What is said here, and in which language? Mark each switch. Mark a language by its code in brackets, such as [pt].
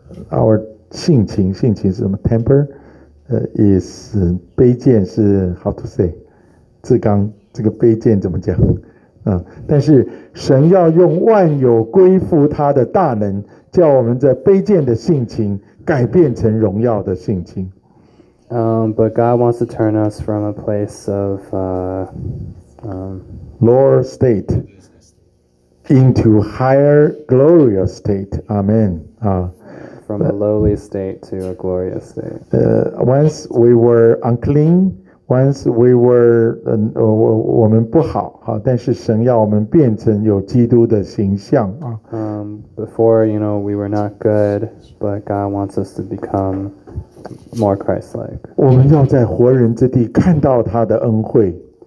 [en] our [zh] 性情是什么 [en] temper, is [zh] 卑贱是 [en] how to say, [zh] 自刚这个卑贱怎么讲，但是神要用万有归附他的大能，叫我们这卑贱的性情改变成荣耀的性情。 [en] But God wants to turn us from a place of lower state. Into higher glorious state. Amen. From a lowly state to a glorious state. Once we were unclean, once we were [zh] 我们不好，但是神要我们变成有基督的形象。 [en] Before, you know, we were not good, but God wants us to become more Christ-like. [zh] 我们要在活人之地看到他的恩惠。